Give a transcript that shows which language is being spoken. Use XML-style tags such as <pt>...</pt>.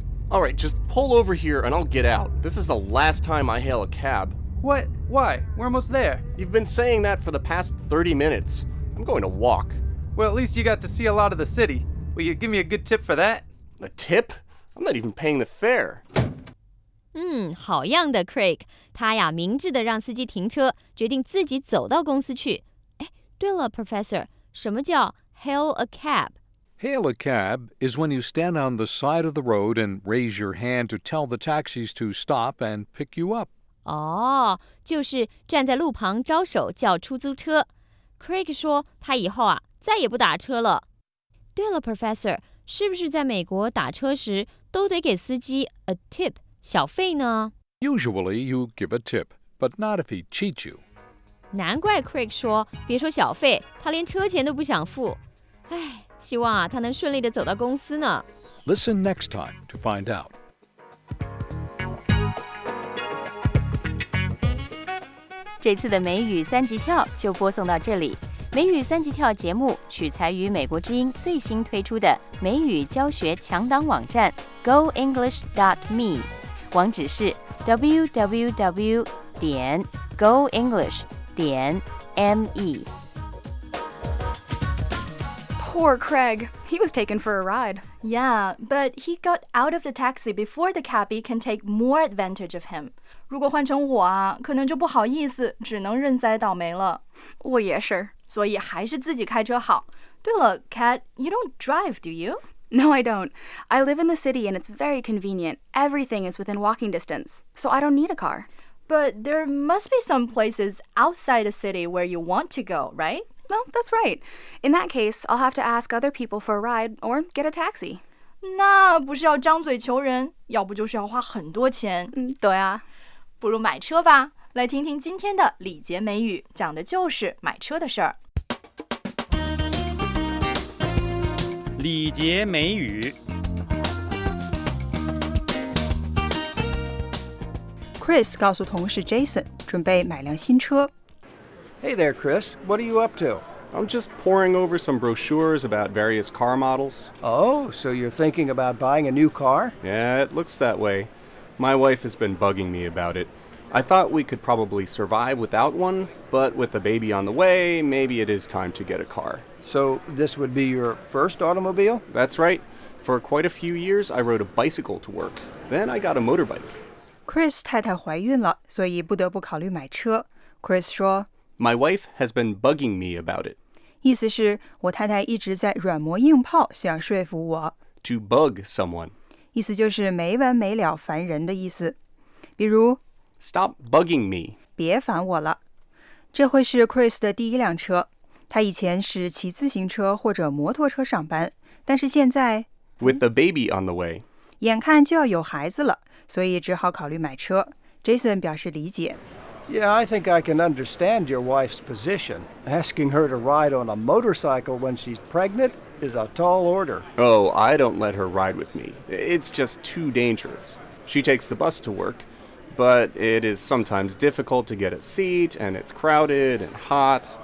<en>All right, just pull over here and I'll get out. This is the last time I hail a cab. What? Why? We're almost there. You've been saying that for the past 30 minutes. I'm going to walk. Well, at least you got to see a lot of the city. Will you give me a good tip for that? A tip? I'm not even paying the fare.</en> <zh>好样的 Craig, 他呀明智地让司机停车，决定自己走到公司去。对了 Professor, 什么叫</zh> <en>hail a cab? Hail a cab is when you stand on the side of the road and raise your hand to tell the taxis to stop and pick you up.</en> <zh>哦，就是站在路旁招手叫出租车。 Craig 说他以后啊再也不打车了。对了 Professor, 是不是在美国打车时都得给司机</zh> <en>a tip,</en> <zh>小费呢？</zh> <en>Usually you give a tip, but not if he cheats you.</en> <zh>难怪 Craig 说别说小费，他连车钱都不想付。哎，希望啊他能顺利地走到公司呢。</zh> <en>Listen next time to find out.</en> <zh>这次的美语三级跳就播送到这里。美语三级跳节目取材于美国之音最新推出的美语教学强档网站 goenglish.me， 网址是 www.goenglish.me。</zh> <en>Poor Craig, he was taken for a ride. Yeah, but he got out of the taxi before the cabbie can take more advantage of him.</en> <zh>如果换成我啊，可能就不好意思，只能认栽倒霉了。我也是，所以还是自己开车好。对了 ，Kat,</zh> <en>you don't drive, do you? No, I don't. I live in the city, and it's very convenient. Everything is within walking distance, so I don't need a car. But there must be some places outside the city where you want to go, right? Well, that's right. In that case, I'll have to ask other people for a ride or get a taxi.</en> <zh>那不是要张嘴求人，要不就是要花很多钱。对啊，不如买车吧。来听听今天的礼节美语，讲的就是买车的事儿。礼节美语。 Chris 告诉同事 Jason， 准备买辆新车。</zh> <en>Hey there, Chris. What are you up to? I'm just poring over some brochures about various car models. Oh, so you're thinking about buying a new car? Yeah, it looks that way. My wife has been bugging me about it. I thought we could probably survive without one, but with a baby on the way, maybe it is time to get a car. So this would be your first automobile? That's right. For quite a few years, I rode a bicycle to work. Then I got a motorbike.</en> <zh>Chris 太太怀孕了，所以不得不考虑买车。Chris 说</zh> <en>My wife has been bugging me about it.</en> <zh>意思是我太太一直在软磨硬泡想说服我。</zh> <en>To bug someone.</en> <zh>意思就是没完没了烦人的意思。比如</zh> <en>Stop bugging me.</en> <zh>别烦我了。这会是 Chris 的第一辆车。他以前是骑自行车或者摩托车上班。但是现在</zh> <en>With the baby on the way.</en> <zh>眼看就要有孩子了，所以只好考虑买车。 Jason 表示理解。</zh> <en>Yeah, I think I can understand your wife's position. Asking her to ride on a motorcycle when she's pregnant is a tall order. Oh, I don't let her ride with me. It's just too dangerous. She takes the bus to work, but it is sometimes difficult to get a seat, and it's crowded and hot.</en>